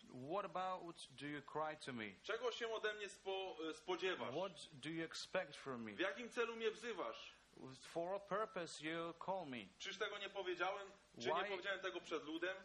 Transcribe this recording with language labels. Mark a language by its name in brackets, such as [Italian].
[English] What about do you cry to me? [Polish] Czego się ode mnie spodziewasz? [English] What do you expect from me? [Polish] W jakim celu mnie wzywasz? [English] For a purpose you call me. [Polish] Czyż tego nie powiedziałem? Czy nie powiedziałem tego przed ludem?